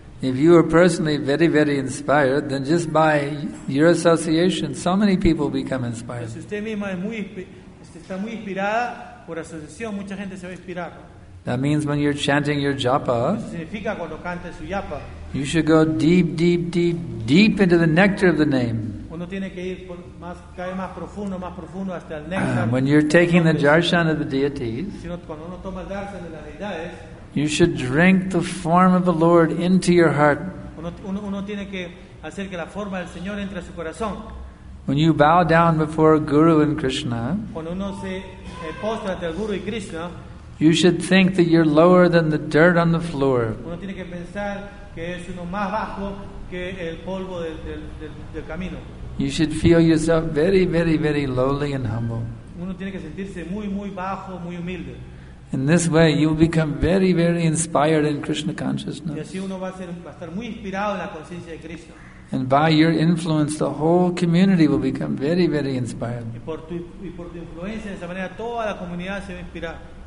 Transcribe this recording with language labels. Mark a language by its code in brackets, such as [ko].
[en] If you are personally very, very inspired, then just by your association, so many people become inspired. [es] Si usted misma es muy, está muy inspirada por asociación, mucha gente se va a inspirar. [en] That means when you're chanting your japa, [es] eso significa cuando canta su yapa, [en] you should go deep, deep, deep, deep into the nectar of the name. [es] Uno tiene que ir más profundo hasta el néctar. [en] When you're taking the darshan of the deities, [es] sino cuando uno toma el darshan de las deidades, [en] you should drink the form of the Lord into your heart. [es] Uno tiene que hacer que la forma del Señor entre a su corazón. [en] When you bow down before Guru and Krishna, [es] cuando uno se postra ante el Guru y Krishna, [en] you should think that you're lower than the dirt on the floor. [es] Uno tiene que pensar que es uno más bajo que el polvo del camino. [en] You should feel yourself very, very, very lowly and humble. [es] Uno tiene que sentirse muy, muy bajo, muy humilde. [en] In this way, you will become very, very inspired in Krishna consciousness. [es] Y así uno va a estar muy inspirado en la conciencia de Krishna. [en] And by your influence, the whole community will become very, very inspired. [es] Y por tu influencia, de esa manera, toda la comunidad se va a inspirar.